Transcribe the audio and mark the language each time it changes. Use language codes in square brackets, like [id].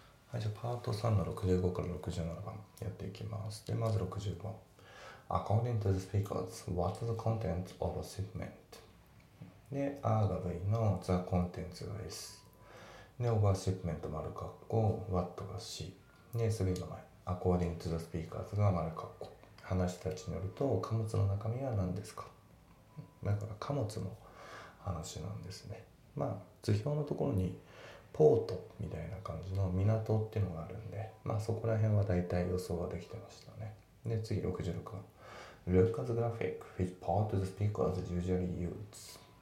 [ja] はい、じゃあパート3の65から67番やっていきます。で、まず65番。 [en] According to the speakers, what is the content of a shipment? [ja] で、A が V の the contents が S。で、over shipment 丸括弧、what が C。で、次の前。 According to the speakers が丸括弧。話たちによると、貨物の中身は何ですか？だから貨物の話なんですね。まあ、図表のところに、ポートみたいな感じの港っていうのがあるんで、まあそこら辺は大体予想はできてましたね。で、次66番。 [en] Look at the graphic, which part of the speakers usually use?